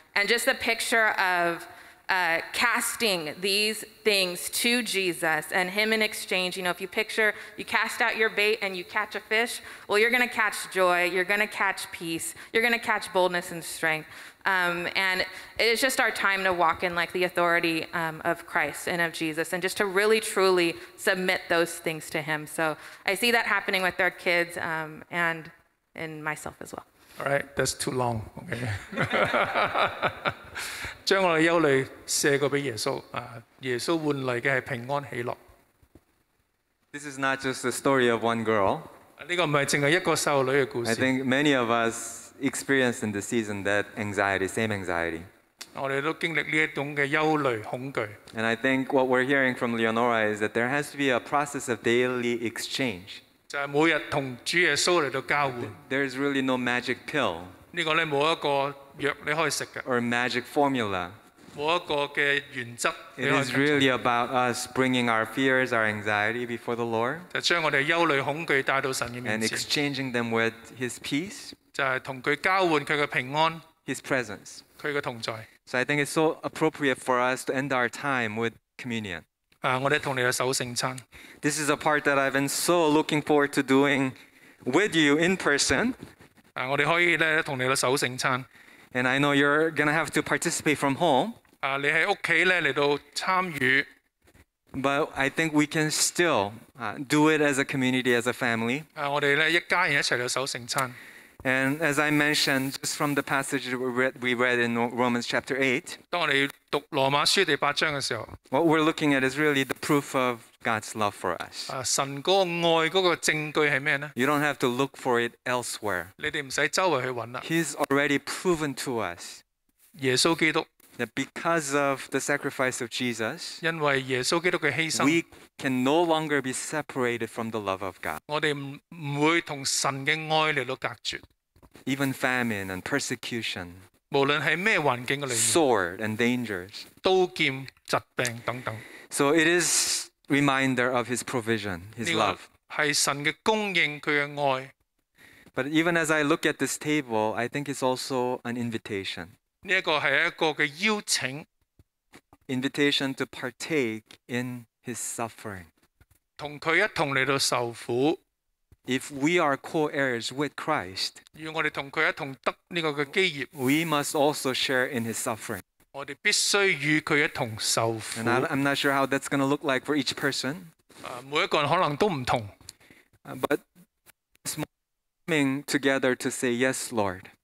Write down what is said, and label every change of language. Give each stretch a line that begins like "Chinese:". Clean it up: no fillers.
English: And just the picture of casting these things to Jesus and him in exchange, you know, if you picture, you cast out your bait and you catch a fish, well, you're going to catch joy, you're going to catch peace, you're going to catch boldness and strength. And it's just our time to walk in like the authority of Christ and of Jesus and just to really truly submit those things to him. So I see that happening with our kids and in myself as well. All right, that's too long. Okay.
Chinese: 将我的忧虑卸过给耶稣，耶稣换来的是平安喜乐。
English: This is not just the story of one girl.
Chinese: 这个不是只是一个少女的故事。
English: I think many of us experienced in this season that anxiety, same anxiety.
Chinese: 我们都经历这种的忧虑、恐惧。
English: And I think what we're hearing from Leonora is that there has to be a process of daily exchange.
Chinese: 就是每天跟主耶稣来交换。
English: There is really no magic pill.
Chinese: 这个没有一个药你可以吃的。
English: Or magic formula.
Chinese: 没有一个的原则。
English: It is really about us bringing our fears, our anxiety before the Lord.
Chinese: 就将我们忧虑、恐惧带到神的面前。
English: And exchanging them with his peace.
Chinese: 就是跟他交换他的平安
English: His presence
Chinese: 他的同在
English: So I think it's so appropriate for us to end our time with communion
Chinese: 我们和你守圣餐
English: This is a part that I've been so looking forward to doing with you in person
Chinese: 我们可以和你守圣餐
English: And I know you're going to have to participate from home
Chinese: 你在家里来参与
English: But I think we can still do it as a community, as a family
Chinese: 我们一家人一起来守圣餐
English: And as I mentioned, just from the passage we read in Romans chapter 8,
Chinese: 当我们读罗马书第八章的时候,
English: what we're looking at is really the proof of God's love for us.
Chinese: 神的爱的证据是什么呢?
English: You don't have to look for it elsewhere.
Chinese: 你们不用到处去找了,
English: He's already proven to us
Chinese: 耶稣基督,
English: that because of the sacrifice of Jesus,
Chinese: 因为耶稣基督的牺牲,
English: we can no longer be separated from the love of God.
Chinese: 我们不会与神的爱来隔绝,
English: even famine and persecution,
Chinese: 无论是什么环境里面,
English: sword and dangers,
Chinese: 刀剑疾病等等,
English: so it is reminder of His provision, His love.
Chinese: 是神的供应，祂的爱。
English: But even as I look at this table, I think it's also an invitation.
Chinese: 这是一个邀请,
English: invitation to partake in His suffering.
Chinese: 与祂一同来到受苦,
English: if we are co-heirs with Christ,
Chinese: 与我们同祂一同得这个基业,
English: we must also share in His suffering. And I'm not sure how that's going to look like for each person. But it's coming together to say, yes, Lord.